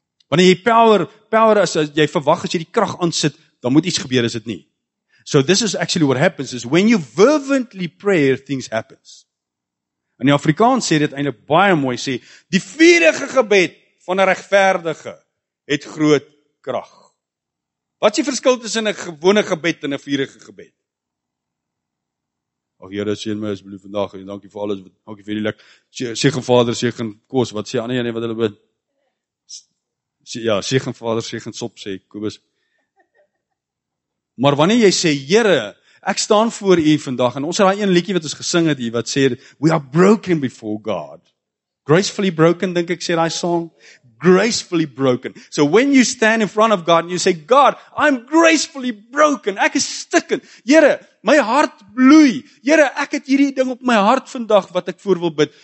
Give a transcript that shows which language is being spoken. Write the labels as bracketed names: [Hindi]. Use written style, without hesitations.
[Afrikaans] Wanneer jy power is, as jy verwag, as jy die krag aansit, dan moet iets gebeur, is dit nie. [English] So this is actually what happens, is when you fervently pray, things happens. [Afrikaans] En die Afrikaans sê dit eintlik baie mooi, sê, die vurige gebed van 'n regverdige het groot krag. Wat is die verskil tussen 'n gewone gebed en 'n vurige gebed? Ag Here, seën my asseblief vandag, en dankie vir alles, dankie vir die lek, seën Vader, seën kos, wat sê ander een wat hulle bid? Ja, seën Vader, seën sop, sê Kobus. Maar wanneer jy sê, Here, ek staan voor u vandag, en ons het daai een liedjie wat ons gesing het hier, wat sê, [English] we are broken before God. Gracefully broken, [Afrikaans] dink ek, sê daai song. Gracefully broken. [English] So when you stand in front of God, and you say, God, I'm gracefully broken. [Afrikaans] Ek is stikken. Here, my hart bloei. Here, ek het hierdie ding op my hart vandag, wat ek voor wil bid.